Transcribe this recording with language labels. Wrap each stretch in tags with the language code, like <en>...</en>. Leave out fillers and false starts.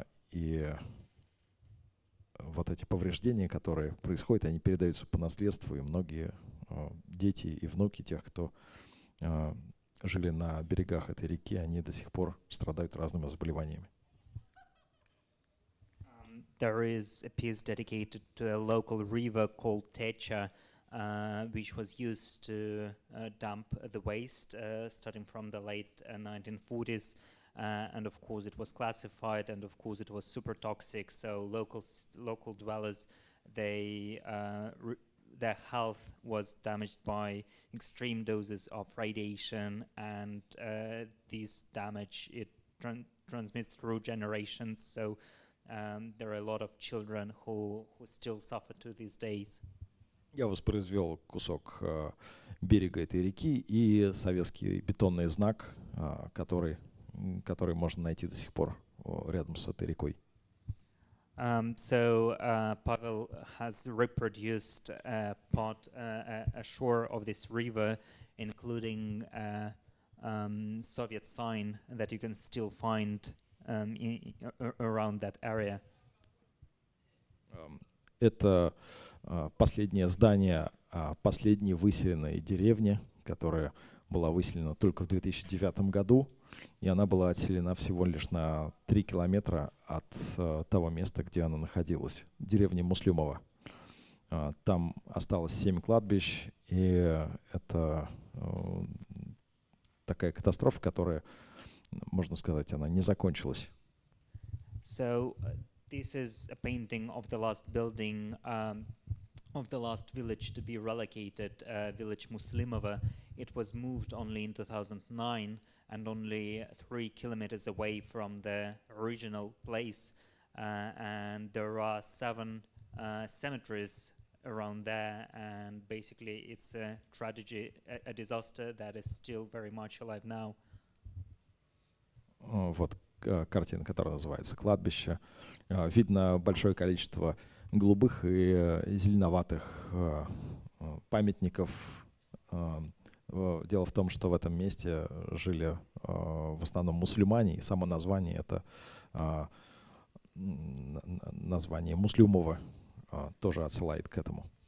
<ru>И вот эти повреждения, которые происходят, они передаются по наследству, и многие дети и внуки тех, кто жили на берегах этой реки, они до сих пор страдают разными заболеваниями.</ru> <en>There is a piece dedicated to a local river called Techa, which was used to dump the waste starting from the late 1940s. And of course it was classified, and of course it was super toxic, so local dwellers, they their health was damaged by extreme doses of radiation, and this damage it transmits through generations, so There are a lot of children who still suffer to these days.</en> <ru>Я воспроизвел кусок берега этой реки и советский бетонный знак, который можно найти до сих пор рядом с этой рекой.</ru> <en>Pavel has reproduced a shore of this river, including Soviet sign that you can still find around that area.</en> <ru>Это последнее здание последней выселенной деревни, которая была выселена только в 2009 году, и она была отселена всего лишь на 3 километра от того места, где она находилась, деревня Муслюмова. Там осталось 7 кладбищ, и это такая катастрофа, которая, можно сказать, она не закончилась.</ru> <en>So, this is a painting of the last building, of the last village to be relocated, village Muslimova. It was moved only in 2009 and only 3 kilometers away from the original place. And there are 7 cemeteries around there. And basically, it's a tragedy, a disaster that is still very much alive now.</en> <ru>Вот картина, которая называется «Кладбище». Видно большое количество голубых и зеленоватых памятников. Дело в том, что в этом месте жили в основном мусульмане, и само название — это название Муслюмова, тоже отсылает к этому.</ru>